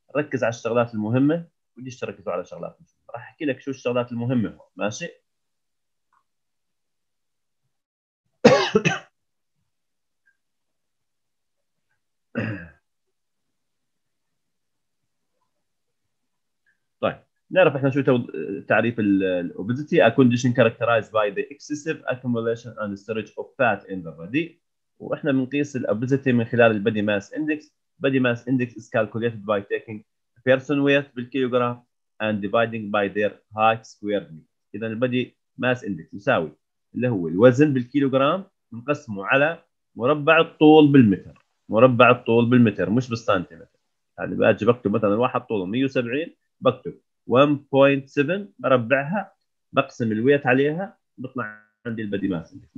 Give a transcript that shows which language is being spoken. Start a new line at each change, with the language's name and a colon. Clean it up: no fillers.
Arabic: ركز على الشغلات المهمه ودي تركزوا على شغلات مهمة. راح احكي لك شو الشغلات المهمه ماشي. طيب نعرف احنا شو تعريف الاوبيزيتي.
English: A condition characterized by the excessive accumulation and storage of fat in the body.
Arabic: واحنا بنقيس الاوبيزيتي من خلال البادي ماس اندكس.
English: Body mass index is calculated by taking person weight بالكيلوغرام and dividing by their height squared meter.
Arabic: إذا البدي ماس اندكس يساوي اللي هو الوزن بالكيلوغرام نقسمه على مربع الطول بالمتر. مربع الطول بالمتر مش بالسنتيمتر. يعني باجي بكتب مثلا واحد طوله 170 بكتب 1.7 بربعها بقسم الويت عليها بطلع عندي البدي ماس اندكس.